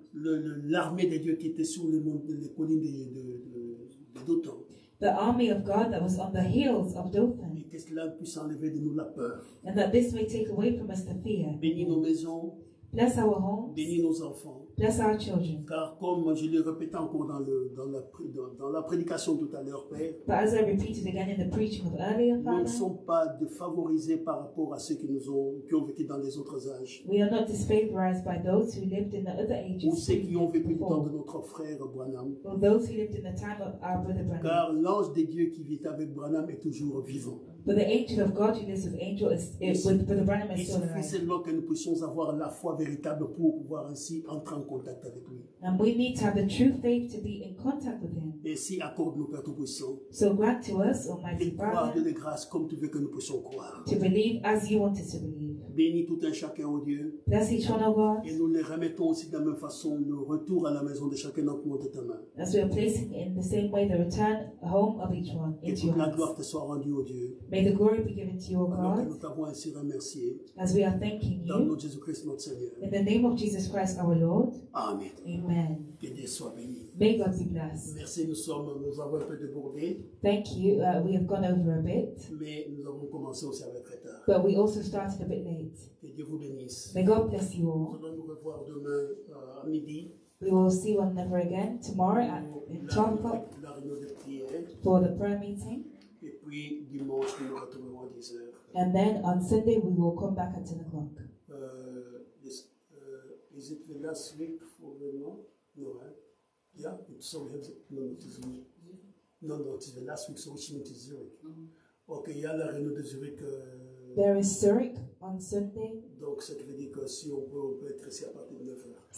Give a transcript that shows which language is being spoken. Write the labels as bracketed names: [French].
[French] L'armée de Dieu qui était sur les collines de Dothan. [English] The army of God that was on the hills of Dothan. [French] Et que cela puisse enlever de nous la peur. [English] And that this may take away from us the fear. [French] Bénis nos maisons. [English] Bless our homes. [French] Bénis nos enfants. [English] Bless our children. [French] Car comme je l'ai répété encore dans la prédication tout à l'heure, Père. [English] But as I repeated again in the preaching of earlier, Father. [French] Nous ne sommes pas défavorisés par rapport à ceux qui ont vécu dans les autres âges. [English] We are not disfavorized by those who lived in the other ages. [French] Ou ceux qui ont vécu dans de notre frère Branham. [English] Or those who lived in the time of our brother Branham. [French] Car l'ange de Dieu qui vit avec Branham est toujours vivant. [English] But the angel of God, who lives with angel, is with Branham is still alive. [French] Et c'est là que nous puissions avoir la foi véritable pour pouvoir ainsi entrer en contact avec lui. [English] And we need to have the true faith to be in contact with him. [French] Et si accorde nous Père Tout-Puissant. [English] So grant to us, Almighty Father. [French] Et croire de les grâces comme tu veux que nous puissions croire. [English] To believe as you want us to believe. [French] Bénis tout un chacun, oh Dieu. [English] Bless each one of us. [French] Et nous les remettons aussi de la même façon le retour à la maison de chacun dans le monde de ta main. [English] As we are placing in the same way the return home of each one into your hands. [French] Que la gloire te soit rendue, oh Dieu. [English] May the glory be given to you, oh God. [French] Alors que nous t'avons ainsi remercié. [English] As we are thanking you. [French] Dans notre Jésus Christ, notre Seigneur. [English] In the name of Jesus Christ, our Lord. Amen. Amen. [French] Que Dieu soit béni. [English] May God be blessed. [French] Merci, nous avons un peu débordé. [English] Thank you, we have gone over a bit. [French] Mais nous avons commencé aussi avec retard. [English] But we also started a bit late. [French] Que Dieu vous bénisse. [English] May God bless you all. [French] Nous allons nous revoir demain à midi. [English] We will see one another again tomorrow at 12 o'clock [French] la réunion de prière. [English] For the prayer meeting. [French] Et puis dimanche nous retournerons à 10 h. [English] And then on Sunday we will come back at 10 o'clock. Is it the last week for the month? No, right? Yeah, it's so we have the Zurich. No, it's the last week, so we should meet in Zurich. [French] Mm-hmm. [English] Okay, yeah, [French] la réunion de Zurich. [English] There is Zurich on Sunday. [French] Donc, ça veut dire que si on peut être ici à partir de 9 h.